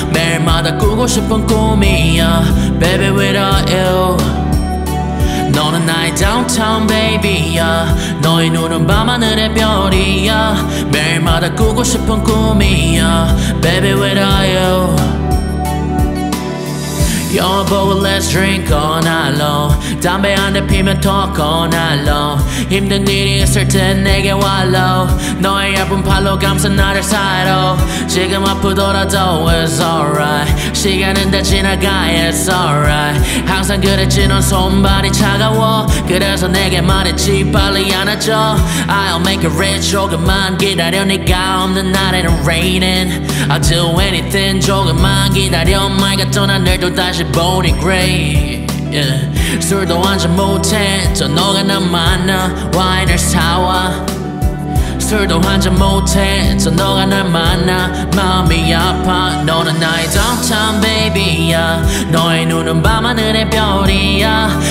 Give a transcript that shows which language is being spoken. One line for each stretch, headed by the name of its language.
Korean: 매일마다 꾸고 싶은 꿈이야.
English: Baby without you.
Korean: 너는 나의
English: downtown baby
Korean: 야. 너의 눈은 밤하늘의 별이야. 매일마다 꾸고 싶은 꿈이야.
English: Baby without you. You're a boy, let's drink all night long.
Korean: 담배 한 대 피면
English: talk all night long.
Korean: 힘든 일이 있을 땐 내게 wallow. 너의 얇은 팔로 감싸 나를 사이로. 지금 아프더라도
English: it's alright.
Korean: 시간은 다 지나가
English: it's alright.
Korean: 항상 그랬지 넌 손발이 차가워. 그래서 내게 말했지 빨리 안아줘.
English: I'll make it rich
Korean: 조금만 기다려. 네가 없는 날에는 raining.
English: I'll do anything
Korean: 조금만 기다려. 맑았던 하늘도 다 다시 보니
English: grey yeah.
Korean: 술도 한잔 못해 저 너가 난 만나.
English: Wine or sour.
Korean: 술도 한잔 못해 저 너가 난 만나. 마음이 아파. 너는 나의
English: downtown baby
Korean: 야. 너의 눈은 밤하늘의 별이야.